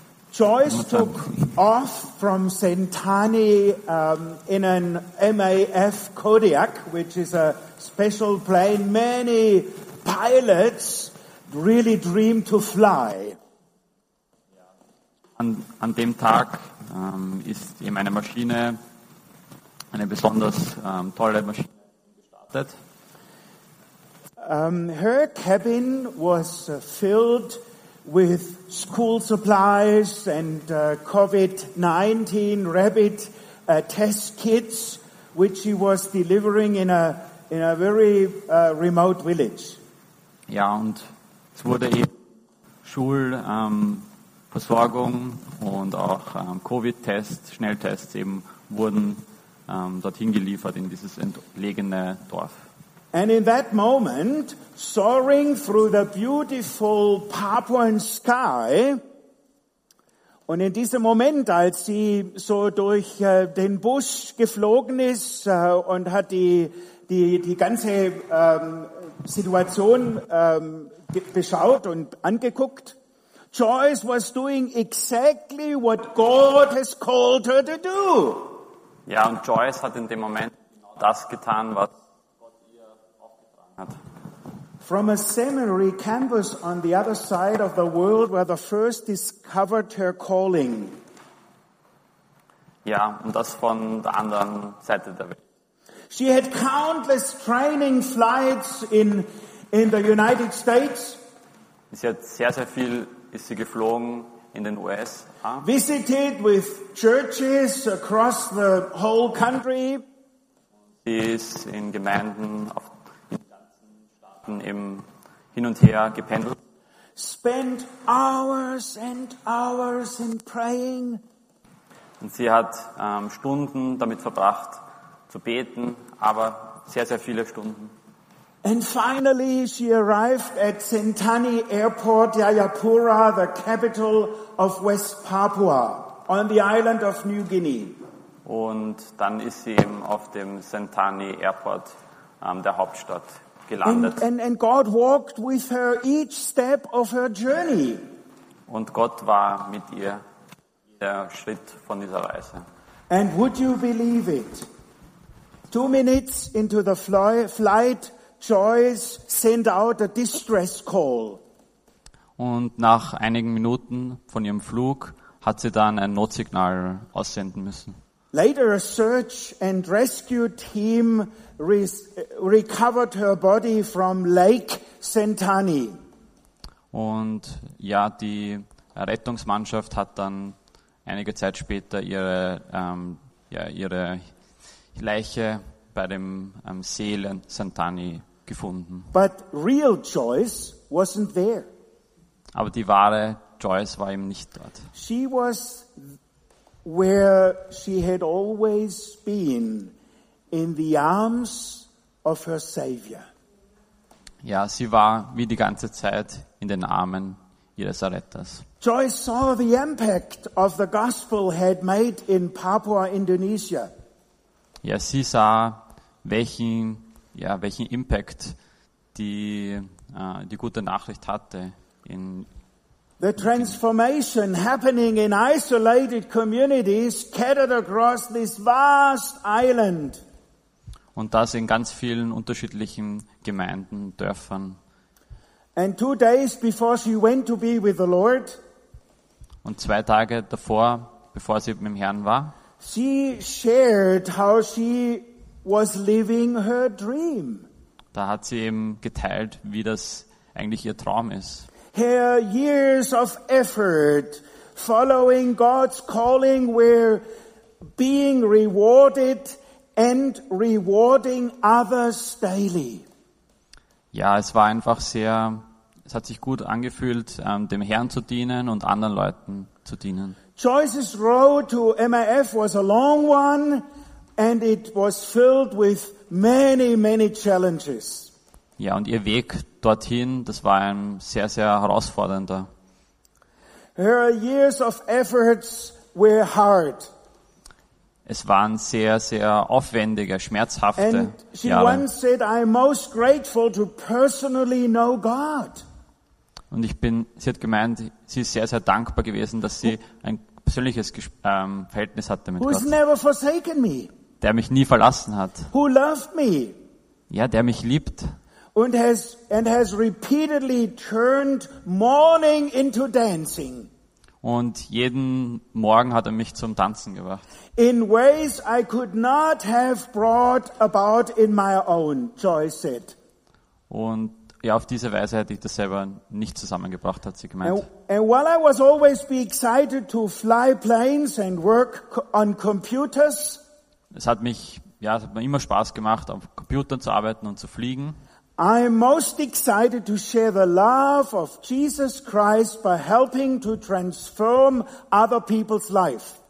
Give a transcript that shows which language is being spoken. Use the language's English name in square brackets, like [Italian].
[English] Joyce took off from Sentani in an MAF Kodiak, which is a special plane many pilots really dream to fly. [German] An dem Tag ist eben eine Maschine, eine besonders tolle Maschine, gestartet. [English] Her cabin was filled with school supplies and COVID-19 rabbit test kits, which she was delivering in a very remote village. [German] Ja, und es wurde eben Schulversorgung und auch COVID-Tests, Schnelltests eben wurden dorthin geliefert in dieses entlegene Dorf. [English] And in that moment, soaring through the beautiful Papuan sky, [German] und in diesem Moment, als sie so durch den Busch geflogen ist und hat die ganze Situation beschaut und angeguckt, [English] Joyce was doing exactly what God has called her to do. [German] Ja, und Joyce hat in dem Moment das getan, was hat. [English] From a seminary campus on the other side of the world where the first discovered her calling. [German] Ja, und das von der anderen Seite der Welt. [English] She had countless training flights in the United States. [German] Sie hat sehr viel ist sie geflogen in den US. [English] Visited with churches across the whole country. [German] Sie ist in Gemeinden auf im hin und her gependelt. [English] Spent hours and hours in praying. [German] Und sie hat Stunden damit verbracht zu beten, aber sehr viele Stunden. [English] And finally she arrived at Sentani Airport, Jayapura, the capital of West Papua, on the island of New Guinea. [German] Und dann ist sie eben auf dem Sentani Airport, der Hauptstadt. [English] And God walked with her each step of her journey. [German] Und Gott war mit ihr der Schritt von dieser Reise. [English] And would you believe it? 2 minutes into the flight, Joyce sent out a distress call. [German] Und nach einigen Minuten von ihrem Flug hat sie dann ein Notsignal aussenden müssen. [English] Later, a search and rescue team recovered her body from Lake Sentani. [German] Und ja, die Rettungsmannschaft hat dann einige Zeit später ihre Leiche bei dem See Sentani gefunden. [English] But real Joyce wasn't there. [German] Aber die wahre Joyce war eben nicht dort. [English] She was where she had always been, in the arms of her Savior. [German] Ja, sie war wie die ganze Zeit in den Armen ihres Erretters. [English] Joyce saw the impact of the gospel had made in Papua, Indonesia. [German] Ja, sie sah welchen Impact die gute Nachricht hatte in [English] the transformation happening in isolated communities scattered across this vast island. [German] Und das in ganz vielen unterschiedlichen Gemeinden, Dörfern. [English] And 2 days before she went to be with the Lord. [German] Und 2 Tage davor, bevor sie mit dem Herrn war. [English] She shared how she was living her dream. [German] Da hat sie eben geteilt, wie das eigentlich ihr Traum ist. [English] Her years of effort following God's calling, we're being rewarded and rewarding others daily. [German] Ja, es war einfach sehr, es hat sich gut angefühlt, dem Herrn zu dienen und anderen Leuten zu dienen. [English] Joyce's road to MAF was a long one and it was filled with many, many challenges. [German] Ja, und ihr Weg dorthin, das war ein sehr, sehr herausfordernder. [English] Her years of efforts were hard. [German] Es waren sehr, sehr aufwendige, schmerzhafte [English] And she once said, I'm most grateful to personally know God. [German] Und ich bin, sie hat gemeint, sie ist sehr, sehr dankbar gewesen, dass sie ein persönliches Verhältnis hatte mit [English] Who's [German] Gott. [English] Never forsaken me. [German] Der mich nie verlassen hat. [English] Who loved me. [German] Ja, der mich liebt. [English] And has repeatedly turned mourning into dancing. [German] Und jeden Morgen hat mich zum Tanzen gebracht. [English] In ways I could not have brought about in my own, Joyce said. [German] Und ja, auf diese Weise hätte ich das selber nicht zusammengebracht, hat sie gemeint. [English] And while I was always be excited to fly planes and work on computers, [German] es hat mir immer Spaß gemacht, auf Computern zu arbeiten und zu fliegen. [English] I am most excited to share the love of Jesus Christ by helping to transform other people's life.